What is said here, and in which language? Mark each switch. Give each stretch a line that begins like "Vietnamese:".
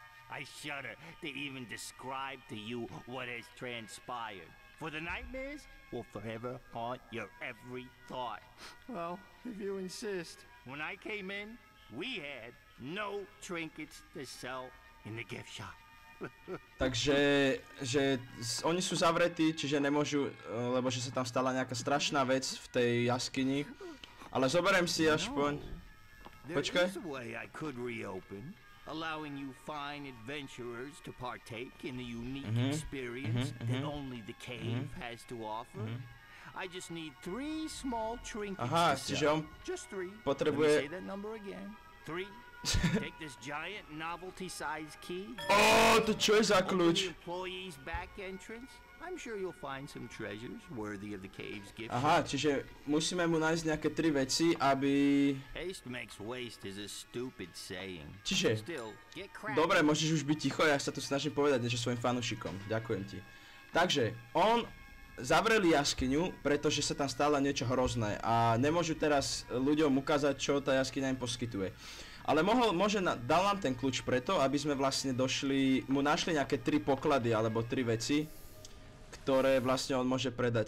English: I shudder to even describe to you what has transpired. For the nightmares will forever haunt your every thought. Well, if you insist. When I came in, we had no trinkets to sell in the gift shop.
Slovak: Takže, že oni sú zavretí, čiže nemôžu, lebo že sa tam stala nejaká strašná vec v tej jaskyni. Ale zoberiem si aspoň. Počkaj.
English: There is a way I could reopen. Allowing you fine adventurers to partake in the unique experience that only the cave has to offer. I just need three small trinkets.
Slovak: Aha, čiže on
English: just three.
Slovak: Potrebuje.
English: Say that number again. Three. Take this giant novelty size key.
Slovak: Oh, to čo je za kľúč?
English: Employee's back entrance. I'm sure you'll find some treasures worthy of the cave's gift.
Slovak: Aha, čiže musíme mu nájsť nejaké tri veci, aby.
English: Haste makes waste is a stupid saying. Čiže. Still, get cracked.
Slovak: Dobre, môžeš už byť ticho, ja sa tu snažím povedať niečo svojim fanúšikom. Ďakujem ti. Takže, on zavreli jaskyňu, pretože sa tam stalo niečo hrozné a nemôžu teraz ľuďom ukázať, čo tá jaskyňa im poskytuje. Ale dal nám ten kľúč preto, aby sme vlastne došli, mu našli nejaké tri poklady alebo tri veci, ktoré vlastne on môže predať.